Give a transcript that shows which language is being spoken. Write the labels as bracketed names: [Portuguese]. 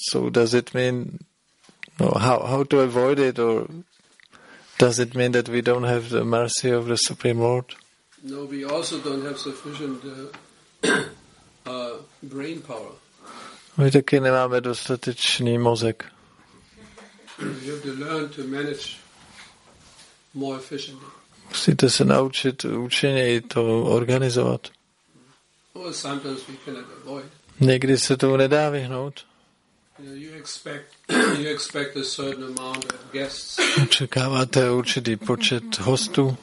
[English] So does it mean, how to avoid it, or does it mean that we don't have the mercy of the Supreme Lord? No, we also don't have sufficient brain power. [Czech] My taky nemáme dostatečný mozek. [English] You have to learn to manage more efficiently. [Czech] Musíte se naučit účinněji to organizovat. [English] Well, sometimes we cannot avoid. [Czech] Někdy se tomu nedá vyhnout. [English] You expect a certain amount of guests. [Czech] Očekáváte určitý počet hostů.